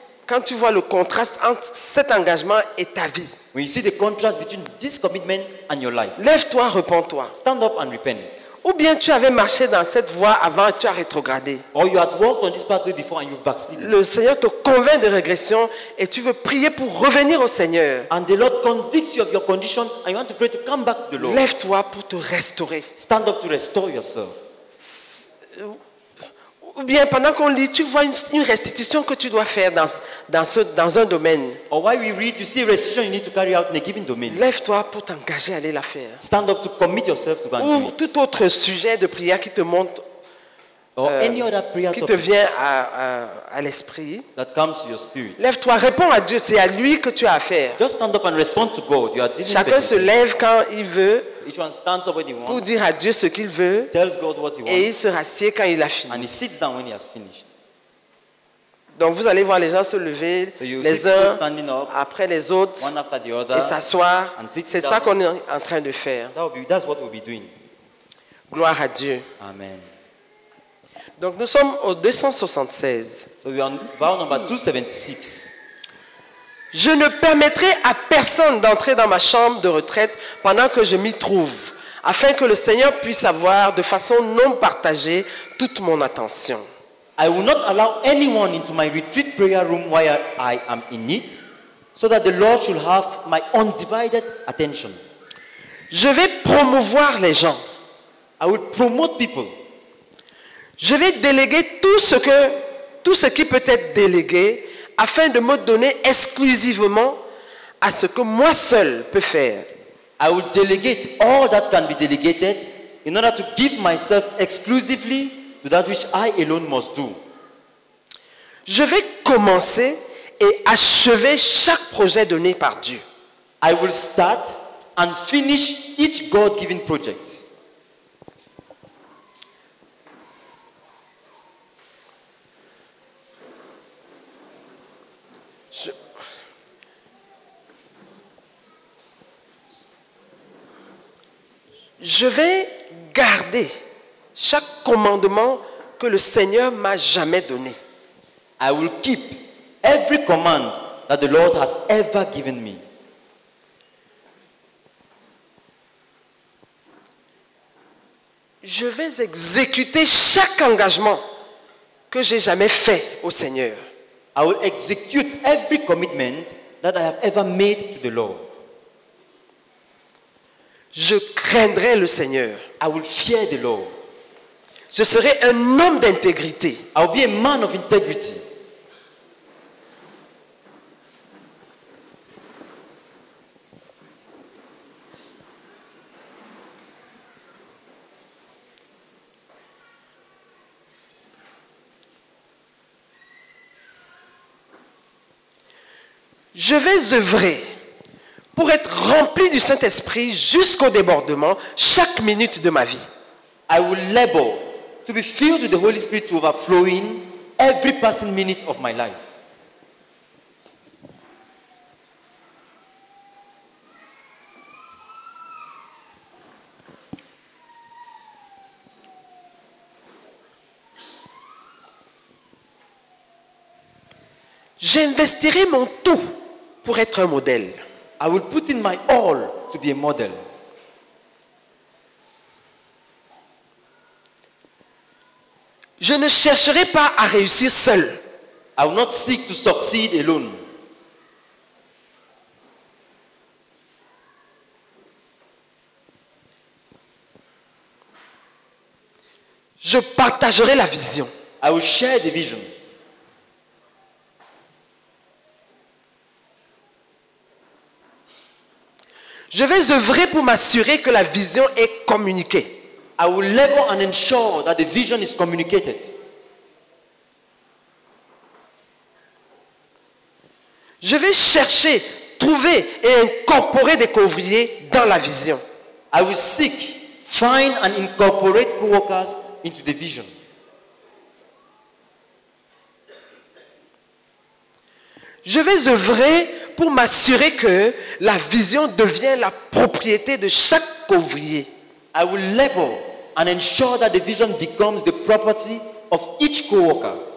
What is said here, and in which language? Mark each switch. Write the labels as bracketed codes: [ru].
[fr] quand tu vois le contraste entre cet engagement et ta vie. [en] When you see the contrast between this commitment and your life, [fr] lève-toi, repens-toi. [en] Stand up and repent. [fr] Ou bien tu avais marché dans cette voie avant et tu as rétrogradé. [en] Or you had walked on this pathway before and you've backslidden. [fr] Le Seigneur te convainc de régression et tu veux prier pour revenir au Seigneur. [en] And the Lord convicts you of your condition and you want to pray to come back to the Lord. [fr] Lève-toi pour te restaurer. [en] Stand up to restore yourself. [fr] Ou bien pendant qu'on lit, tu vois une restitution que tu dois faire dans un domaine. [en] Or while we read, you see a restitution you need to carry out in a given domain. [fr] Lève-toi pour t'engager à aller la faire. [en] Stand up to commit yourself to go and do it. [fr] Ou tout autre sujet de prière qui te monte, [en] or any other prayer [fr] qui te vient à l'esprit. [en] That comes to your spirit. [fr] Lève-toi, réponds à Dieu, c'est à lui que tu as affaire. [en] Just stand up and respond to God. You are dealing. [fr] Chacun se lève quand il veut. [en] Each one stands up when he wants. [fr] Pour dire à Dieu ce qu'il veut. [en] Tells God what he wants. [fr] Et il se rassied quand il a fini. [en] And he sits down when he has finished. [fr] Donc vous allez voir les gens se lever, [en] so [fr] les uns [en] standing up, [fr] après les autres, [en] one after the other, [fr] et s'asseoir. [en] And sit. [fr] C'est ça qu'on est en train de faire. [en] That's what we'll be doing. [fr] Gloire à Dieu. [en] Amen. [fr] Donc nous sommes au 276. [en] So we are on number 276. [fr] Je ne permettrai à personne d'entrer dans ma chambre de retraite pendant que je m'y trouve, afin que le Seigneur puisse avoir de façon non partagée toute mon attention. [en] I will not allow anyone into my retreat prayer room while I am in it, so that the Lord should have my undivided attention. [fr] Je vais promouvoir les gens. [en] I will promote people. [fr] Je vais déléguer tout ce qui peut être délégué afin de me donner exclusivement à ce que moi seul peux faire. [en] I will delegate all that can be delegated in order to give myself exclusively to that which I alone must do. [fr] Je vais commencer et achever chaque projet donné par Dieu. [en] I will start and finish each God-given project. [fr] Je vais garder chaque commandement que le Seigneur m'a jamais donné. [en] I will keep every command that the Lord has ever given me. [fr] Je vais exécuter chaque engagement que j'ai jamais fait au Seigneur. [en] I will execute every commitment that I have ever made to the Lord. [fr] Je craindrai le Seigneur. [en] I will fear the Lord. [fr] Je serai un homme d'intégrité. [en] I will be a man of integrity. [fr] Je vais œuvrer pour être rempli du Saint-Esprit jusqu'au débordement chaque minute de ma vie. [en] I will labor to be filled with the Holy Spirit to overflowing every passing minute of my life. [fr] J'investirai mon tout pour être un modèle. [en] I will put in my all to be a model. [fr] Je ne chercherai pas à réussir seul. [en] I will not seek to succeed alone. [fr] Je partagerai la vision. [en] I will share the vision. [fr] Je vais œuvrer pour m'assurer que la vision est communiquée. [en] I will labor and ensure that the vision is communicated. [fr] Je vais chercher, trouver et incorporer des co-ouvriers dans la vision. [en] I will seek, find and incorporate co-workers into the vision. [fr] Je vais œuvrer pour m'assurer que la vision devient la propriété de chaque co-ouvrier. [en] I will labor and ensure that the vision becomes the property of each co-worker.